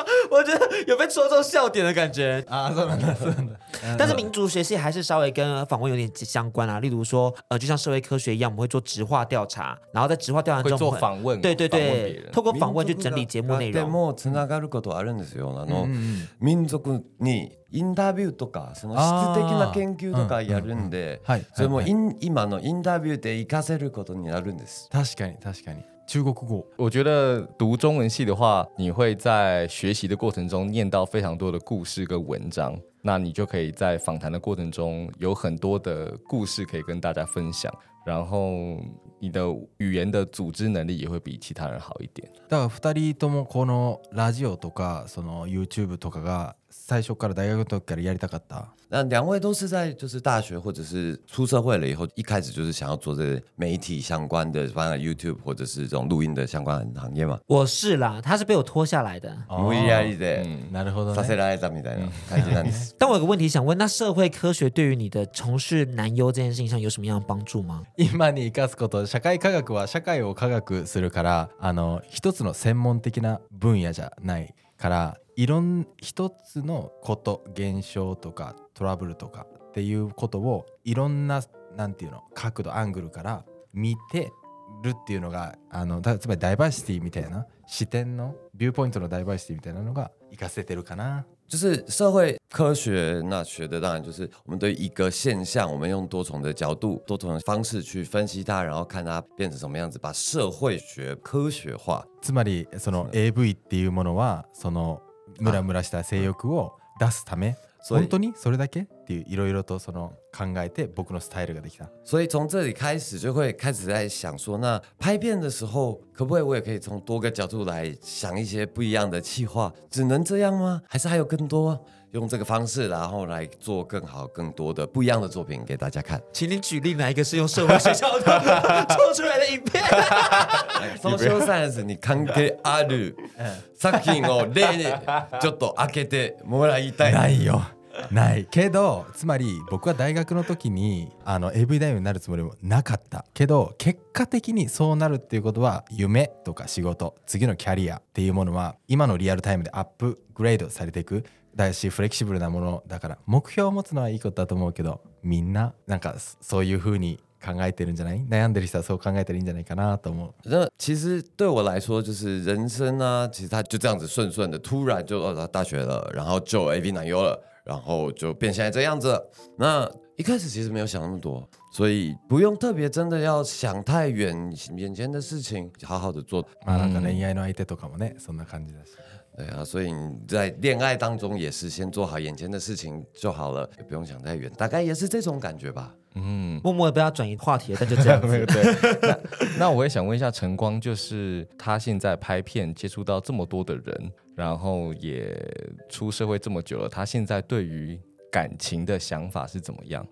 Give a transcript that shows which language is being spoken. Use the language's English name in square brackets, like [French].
[Chinese] 我觉得有被戳中笑点的感觉啊，算了算了。但是民族学系还是稍微跟访问有点相关啊，例如说，就像社会科学一样，我们会做直化调查，然后在直化调查中会做访问，对对对，透过访问去整理节目内容。 [Japanese] でもつながることあるんですよ。あの民族にインタビューとかその質的な研究とかやるんで、それも今のインタビューで活かせることになるんです。確かに確かに。中国国， [Chinese] 我觉得读中文系的话，你会在学习的过程中念到非常多的故事跟文章，那你就可以在访谈的过程中有很多的故事可以跟大家分享。然后你的语言的组织能力也会比其他人好一点。 [Japanese] だから二人ともこのラジオとかその YouTube とかが最初から大学の時からやりたかった。 [Chinese] 那两位都是在就是大学或者是出社会了以后，一开始就是想要做这媒体相关的，包括 YouTube 或者是这种录音的相关行业吗？我是啦，他是被我拖下来的。无意义的， [Japanese] なるほどね。させられたみたいな感じなんです。 [Chinese] 但我有个问题想问，那社会科学对于你的从事男优这件事情上有什么样的帮助吗？ [Japanese] 今に生かすこと、社会科学は社会を科学するから、あの一つの専門的な分野じゃないから。いろん一つのこと現象とかトラブルとかっていうことをいろんななんていうの角度アングルから見てるっていうのがあのつまりダイバーシティみたいな視点のビューポイントのダイバーシティみたいなのが活かせてるかな。 [Chinese] 就是社会科学那学的当然就是我们对一个现象我们用多重的角度多重的方式去分析它然后看它变成什么样子把社会学科学化。 [Japanese] つまりその AV っていうものはそのムラムラした性欲を出すため、本当にそれだけっていういろいろとその考えて僕のスタイルができた。 [Chinese] 所以从这里开始就会开始在想说，那拍片的时候，可不可以我也可以从多个角度来想一些不一样的企划？只能这样吗？还是还有更多用这个方式，然后来做更好、更多的不一样的作品给大家看？请你举例哪一个是用社会学角度做出来的影片？ [Japanese] Social science に関係ある作品を例にちょっと開けてもらいたい。ないよ。ないけどつまり僕は大学の時にあの AV 男優になるつもりもなかったけど結果的にそうなるっていうことは夢とか仕事次のキャリアっていうものは今のリアルタイムでアップグレードされていくだしフレキシブルなものだから目標を持つのはいいことだと思うけどみんななんかそういう風に考えてるんじゃない？悩んでる人はそう考えてるんじゃないかなと思う。 [Chinese] 那其实对我来说，就是人生呢、啊，其实他就这样子顺顺的，突然就大学了，然后就 AV 男优了，然后就变现在这样子。那一开始其实没有想那么多，所以不用特别真的要想太远，眼前的事情好好的做。 [Japanese] まあなんか恋愛の相手とかもね、そんな感じだし。 [Chinese] 对啊，所以你在恋爱当中也是先做好眼前的事情就好了，也不用想太远，大概也是这种感觉吧。嗯，默默的被他转移话题了，但就这样子。对那我也想问一下晨光，就是他现在拍片接触到这么多的人，然后也出社会这么久了，他现在对于感情的想法是怎么样？